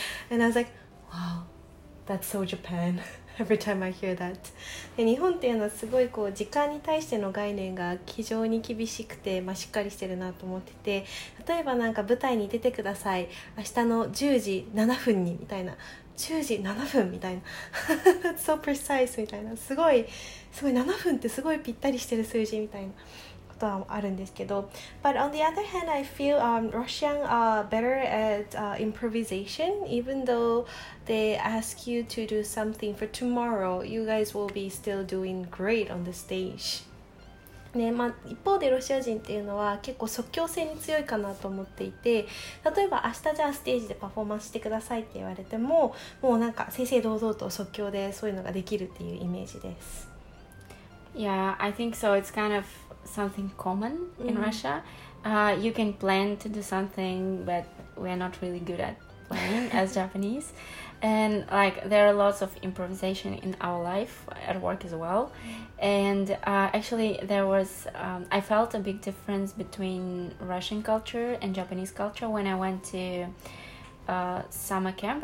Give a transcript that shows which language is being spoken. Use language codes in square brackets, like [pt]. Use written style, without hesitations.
[en] And I was like, wow, that's so Japan. Every time I hear that. [ja] で日本っていうのはすごいこう時間に対しての概念が非常に厳しくて、しっかりしてるなと思ってて、例えばなんか舞台に出てください。明日の10時7分にみたいな。10時7分みたいな [en] so precise [ja] みたいなすごい7分ってすごいぴったりしてる数字みたいなことはあるんですけど [en] But on the other hand I feel Russian are better at improvisation even though they ask you to do something for tomorrow you guys will be still doing great on the stage [ja] ねまあ、一方でロシア人っていうのは結構即興性に強いかなと思っていて例えば明日じゃあステージでパフォーマンスしてくださいって言われてももうなんか正々堂々と即興でそういうのができるっていうイメージです [en] Yeah, I think so. It's kind of something common in Russia. You can plan to do something, but we're not really good at planning as Japanese. And like there are lots of improvisation in our life at work as well. And actually there was, I felt a big difference between Russian culture and Japanese culture when I went to summer camp.